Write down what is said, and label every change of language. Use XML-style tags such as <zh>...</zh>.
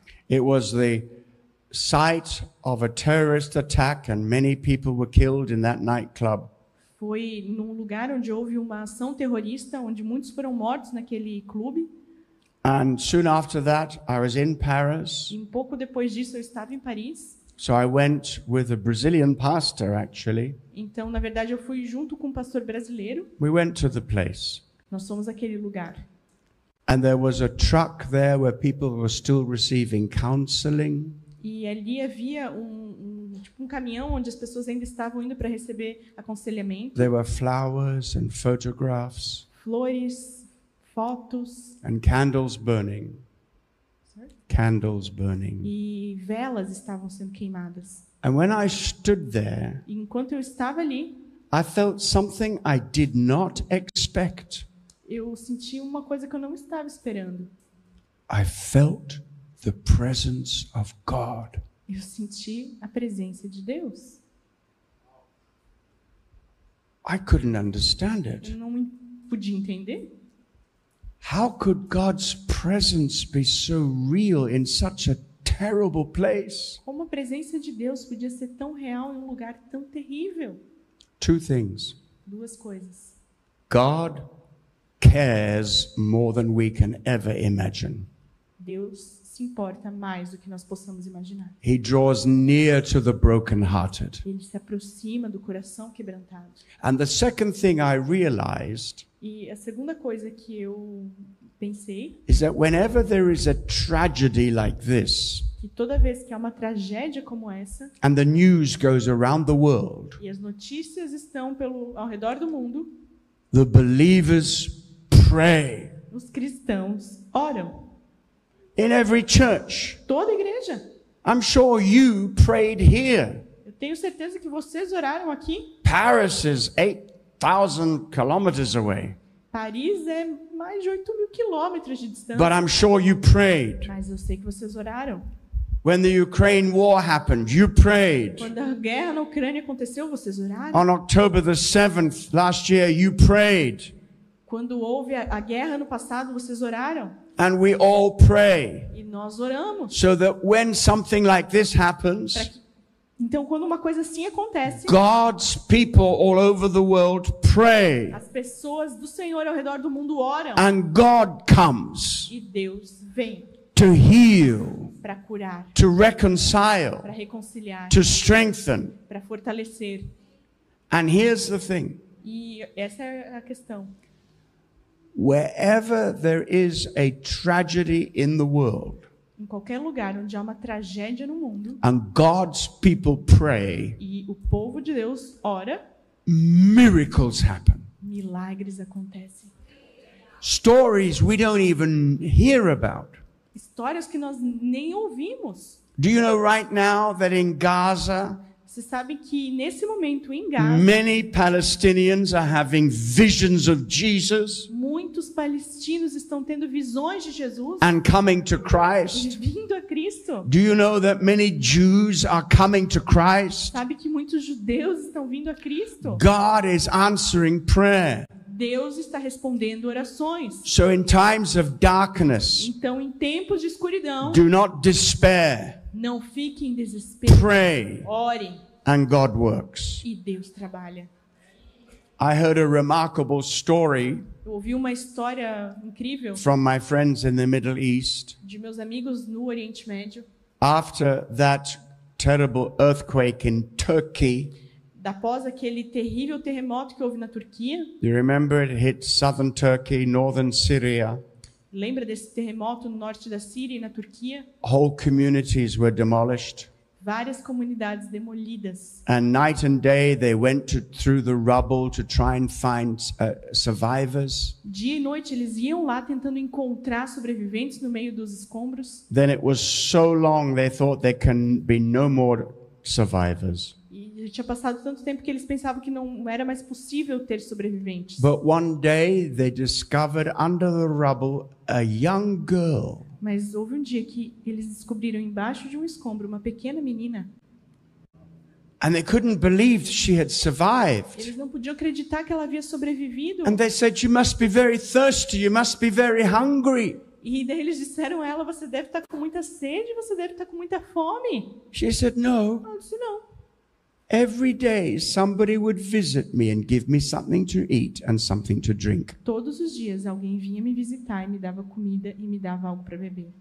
<en>It was the site of a terrorist attack and many people were killed in that nightclub.</en> <pt>Foi num lugar onde houve uma ação terrorista, onde muitos foram mortos naquele clube.</pt> <en>And soon after that, I was in Paris.</en> <pt>E um pouco depois disso, eu estava em Paris.</pt> <en>So I went with a Brazilian pastor, actually.</en> <pt>Então, na verdade, eu fui junto com um pastor brasileiro.</pt> <en>We went to the place.</en> <pt>Nós fomos àquele lugar.</pt> <en>And there was a truck there where people were still receiving counseling.</en> <pt>E ali havia um caminhão onde as pessoas ainda estavam indo para receber aconselhamento.</pt> <en>There were flowers and photographs.</en> <pt>Flores, fotos.</pt> <en>And candles burning. Sorry? Candles burning.</en> <pt>E velas estavam sendo queimadas.</pt> <en>And when I stood there,</en> <pt>enquanto eu estava ali,</pt> <en>I felt something I did not expect.</en> <pt>Eu senti uma coisa que eu não estava esperando.</pt> <en>I felt the presence of God.</en> <pt>Eu senti a presença de Deus.</pt> <en>I couldn't understand it.</en> <pt>Eu não podia entender.</pt> <en>How could God's presence be so real in such a terrible place?</en> <pt>Como a presença de Deus podia ser tão real em um lugar tão terrível?</pt> <en>Two things.</en> <pt>Duas coisas.</pt> <en>God cares more than we can ever imagine.</en> <pt>Deus se importa mais do que nós possamos imaginar.</pt> <en>He draws near to the brokenhearted.</en> <pt>Ele se aproxima do coração quebrantado.</pt> <en>And the second thing I realized,</en> <pt>e a segunda coisa que eu pensei,</pt> <en>is that whenever there is a tragedy like this,</en> <pt>que toda vez que há uma tragédia como essa,</pt> <en>and the news goes around the world,</en> <pt>e as notícias estão pelo ao redor do mundo,</pt> <en>the believers pray.</en> <pt>Os cristãos oram.</pt> <en>In every church.</en> <pt>Toda igreja.</pt> <en>I'm sure you prayed here.</en> <pt>Eu tenho certeza que vocês oraram aqui.</pt> <en>Paris is 8,000 kilometers away.</en> <pt>Paris é mais de 8,000 quilômetros de distância.</pt> <en>But I'm sure you prayed.</en> <pt>Mas eu sei que vocês oraram.</pt> <en>When the Ukraine war happened, you prayed.</en> <pt>Quando a guerra na Ucrânia aconteceu, vocês oraram.</pt> <en>On October the 7th last year, you prayed.</en> <pt>Quando houve a guerra no passado, vocês oraram.</pt> <en>And we all pray.</en> <pt>E nós oramos.</pt> <en>So that when something like this happens,</en> <pt>então quando uma coisa assim acontece,</pt> <en>God's people all over the world pray.</en> <pt>As pessoas do Senhor ao redor do mundo oram.</pt> <en>And God comes.</en> <pt>E Deus vem.</pt> <en>To heal.</en> <pt>Para curar.</pt> <en>To reconcile.</en> <pt>Para reconciliar.</pt> <en>To strengthen.</en> <pt>Para fortalecer.</pt> <en>And here's the thing.</en> <pt>E essa é a questão.</pt> <en>Wherever there is a tragedy in the world,</en> <pt>em qualquer lugar onde há uma tragédia no mundo,</pt> <en>and God's people pray,</en> <pt>e o povo de Deus ora,</pt> <en>miracles happen.</en> <pt>Milagres acontecem.</pt> <en>Stories we don't even hear about.</en> <pt>Histórias que nós nem ouvimos.</pt> <en>Do you know right now that in Gaza,</en> <pt>você sabe que nesse momento em Gaza,</pt> <en>many Palestinians are having visions of Jesus,</en> <pt>muitos palestinos estão tendo visões de Jesus,</pt> <en>and coming to Christ,</en> <pt>e vindo a Cristo.</pt> <en>Do you know that many Jews are coming to Christ?</en> <pt>Sabe que muitos judeus estão vindo a Cristo?</pt> <en>God is answering prayer.</en> <pt>Deus está respondendo orações.</pt> <en>So in times of darkness,</en> <pt>então em tempos de escuridão,</pt> <en>do not despair.</en> <pt>Não fique em desespero.</pt> <en>Pray.</en> <pt>Ore.</pt> <en>And God works.</en> <pt>E Deus trabalha.</pt> <en>I heard a remarkable story.</en> <pt>Eu ouvi uma história incrível.</pt> <en>From my friends in the Middle East.</en> <pt>De meus amigos no Oriente Médio.</pt> <en>After that terrible earthquake in Turkey.</en> <pt>Após aquele terrível terremoto que houve na Turquia.</pt> <en>You remember it hit southern Turkey, northern Syria.</en> <pt>Lembra desse terremoto no norte da Síria e na Turquia?</pt> <en>Whole communities were demolished.</en> <pt>Várias comunidades demolidas.</pt> <en>And night and day they went to, through the rubble to try and find survivors.</en> <pt>Dia e noite eles iam lá tentando encontrar sobreviventes no meio dos escombros.</pt> <en>Then it was so long they thought there can be no more survivors.</en> <pt>E já tinha passado tanto tempo que eles pensavam que não era mais possível ter sobreviventes.</pt> <en>But one day they discovered under the rubble a young girl.</en> <pt>Mas houve um dia que eles descobriram embaixo de um escombro uma pequena menina.</pt> <en>And they couldn't believe she had survived.</en> <pt>Eles não podiam acreditar que ela havia sobrevivido.</pt> <en>And they said, "You must be very thirsty. You must be very hungry."</en> <pt>E daí eles disseram a ela, "Você deve estar com muita sede. Você deve estar com muita fome."</pt> <en>She said, "No."</en> <pt>Ela disse não.</pt> <en>Every day somebody would visit me and give me something to eat and something to drink.</en> <pt>Todos os dias alguém vinha me visitar e me dava comida e me dava algo para beber.</pt>